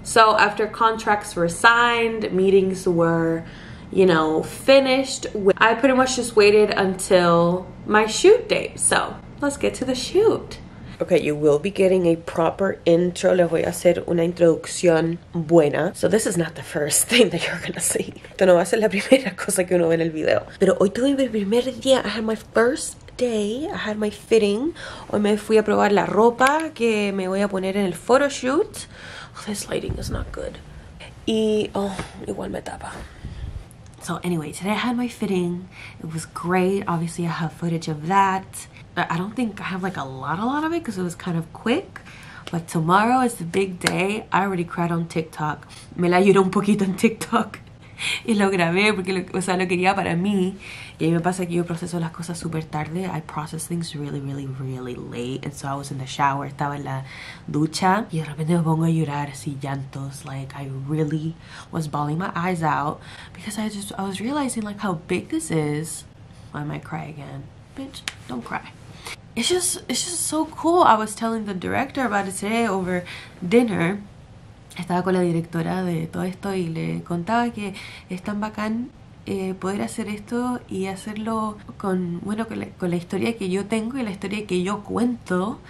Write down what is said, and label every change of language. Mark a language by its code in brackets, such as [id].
[en] So after contracts were signed, meetings were, you know, finished, I pretty much just waited until my shoot date. So let's get to the shoot. Okay, you will be getting a proper intro. [es] Le voy a hacer una introducción buena. [en] So this is not the first thing that you're gonna see. [es] Esto no va a ser la primera cosa que uno ve en el video. Pero hoy tuve mi primer día. [en] I had my first day. I had my fitting. [es] Hoy me fui a probar la ropa que me voy a poner en el photo shoot. [en] Oh, this lighting is not good. [es] Y, oh, igual me tapa. [en] So anyway, today I had my fitting. It was great. Obviously, I have footage of that. I don't think I have like a lot of it because it was kind of quick. But tomorrow is the big day. I already cried on TikTok. [es] Me la lloré un poquito en TikTok. Y lo grabé porque lo quería para mí. Y me pasa que yo proceso las cosas super tarde. [en] I process things really, really, really late. And so I was in the shower. [es] Estaba en la ducha. Y de repente me pongo a llorar así, llantos. [en] Like, I really was bawling my eyes out. Because I was realizing like how big this is. Why am I crying again? Bitch, don't cry. It's just so cool. I was telling the director about it today over dinner. [es] Estaba con la directora de todo esto y le contaba que es tan bacán poder hacer esto y hacerlo con, bueno, con la historia que yo tengo y la historia que yo cuento.